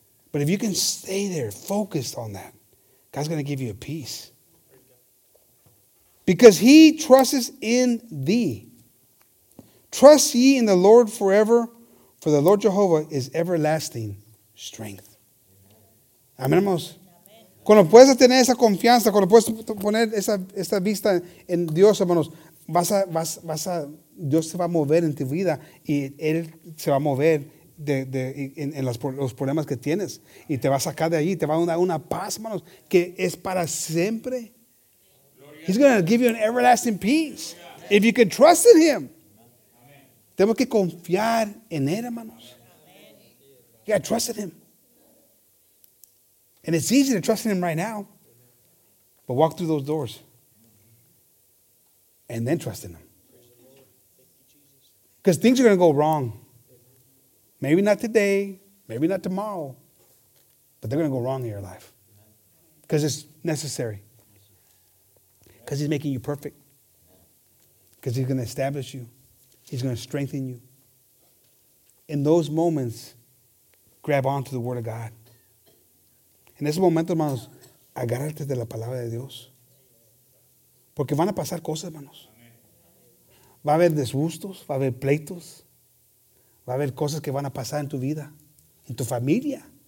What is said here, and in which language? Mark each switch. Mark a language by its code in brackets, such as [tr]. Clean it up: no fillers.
[en] But if you can stay there focused on that, God's going to give you a peace. Because he trusts in thee. Trust ye in the Lord forever, for the Lord Jehovah is everlasting strength. [es] Amén, hermanos. Cuando puedes tener esa confianza, cuando puedes poner esa vista en Dios, hermanos, vas a Dios se va a mover en tu vida y Él se va a mover en los problemas que tienes y te va a sacar de allí, te va a dar una paz, hermanos, que es para siempre. [en] He's going to give you an everlasting peace if you can trust in Him. [es] Tenemos que confiar en Él, hermanos. [en] You got to trust in Him. And it's easy to trust in Him right now. But walk through those doors. And then trust in Him. Because things are going to go wrong. Maybe not today. Maybe not tomorrow. But they're going to go wrong in your life. Because it's necessary. Because He's making you perfect. Because He's going to establish you. He's going to strengthen you. In those moments, grab onto the Word of God. [es] En ese momento, hermanos, agárrate de la palabra de Dios. Porque van a pasar cosas, hermanos. Va a haber desgustos, va a haber pleitos. Va a haber cosas que van a pasar en tu vida, en tu familia.